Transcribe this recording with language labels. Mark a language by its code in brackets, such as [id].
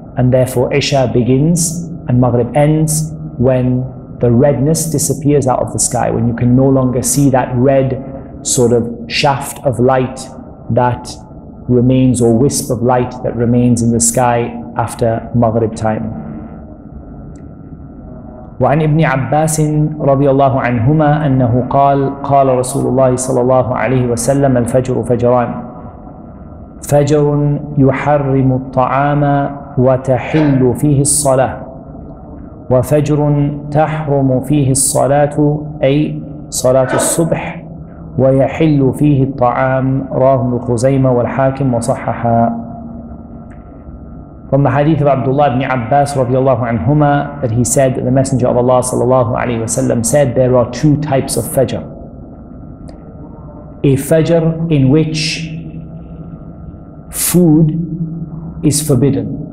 [en] And therefore Isha begins and Maghrib ends when the redness disappears out of the sky, when you can no longer see that red sort of shaft of light that remains, or wisp of light that remains in the sky after Maghrib time. [ar] وعن ابن عباس رضي الله عنهما أنه قال قال رسول الله صلى الله عليه وسلم الفجر فجران فجر يحرم الطعام وتحل فيه الصلاة وفجر تحرم فيه الصلاة أي صلاة الصبح ويحل فيه الطعام رواه ابن خزيمة والحاكم وصححا. [en] From the hadith of Abdullah ibn Abbas radiallahu anhuma, that he said that the Messenger of Allah sallallahu alayhi wa sallam said, there are two types of fajr. A fajr in which food is forbidden.